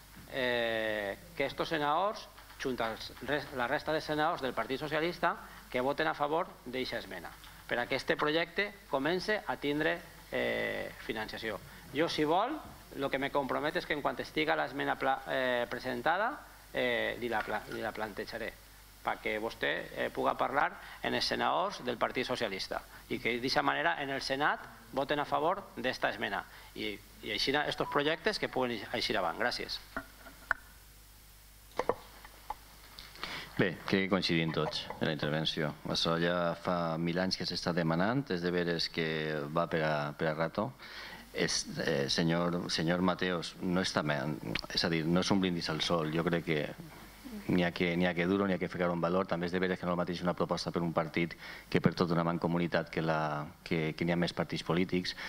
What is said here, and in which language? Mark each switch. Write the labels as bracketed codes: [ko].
[ca] que aquests senadors, junta la resta de senadors del Partit Socialista, que voten a favor d'aquesta esmena, per a que aquest projecte comence a tindre financiació. Jo, si vol, [es] lo que me compromete es que en cuanto estiga la esmena presentada, [ca] la plantejaré, [es] para que usted pueda hablar en el senador del Partido Socialista y que de esa manera en el Senat voten a favor de esta esmena y estos proyectos que pueden ir avant. Gracias. [ca] Bé, crec que coincidim tots en la intervenció. Això ja fa mil anys que s'està demanant, és de veres que va per a rato. Senyor Mateos, no està, és a dir, no és un brindis al sol, jo crec que n'hi ha que dur-ho, n'hi ha que ficar un valor, també és de veres que no és el mateix una proposta per un partit que per tota una mancomunitat que n'hi ha més partits polítics.